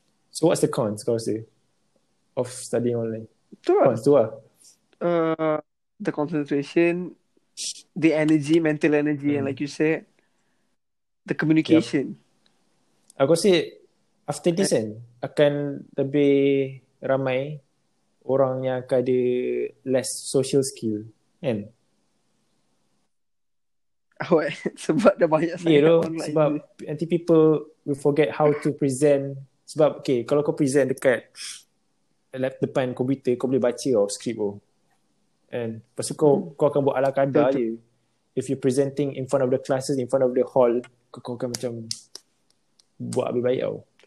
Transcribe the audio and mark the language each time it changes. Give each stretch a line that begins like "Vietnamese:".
English: So what's the cons
Malay: kau rasa
English: of studying online?
Malay: Itulah. Cons tu lah.
English: The concentration, the energy, mental energy, and like you said, the communication. Yep.
Malay: Aku rasa
English: after this
Malay: kan, akan lebih ramai orang yang akan ada
English: less social skill,
Malay: kan? Oh, sebab dah banyak sangat online. Sebab nanti
English: people will forget how to present.
Malay: Sebab, okay, kalau kau present dekat depan komputer, kau boleh baca or script or. And lepas tu kau akan buat ala kadar je.
English: If you presenting in front of the classes, in front of the hall,
Malay: kau akan macam buat lebih baik tau.